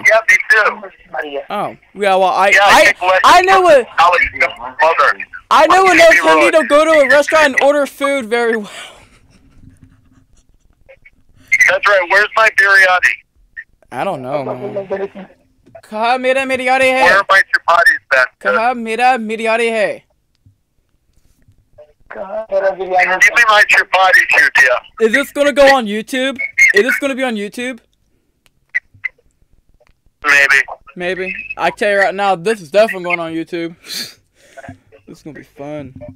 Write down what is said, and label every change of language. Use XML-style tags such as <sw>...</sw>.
<en>Yeah, me too. Oh. Yeah, well, I know enough Hindi to go to a restaurant and order food very well. That's right. Where's my biryani? I don't know, man.</en> <hi>कहा मेरा बिरयानी है?</hi> <en>Where are my chapatis, Ben?</en> <hi>कहा मेरा बिरयानी है?</hi> <en>Give me my chapati, Judia. Is this going to go on YouTube? Is this going to be on YouTube? Maybe. Maybe. I tell you right now, this is definitely going on YouTube. This is going to be fun.</en>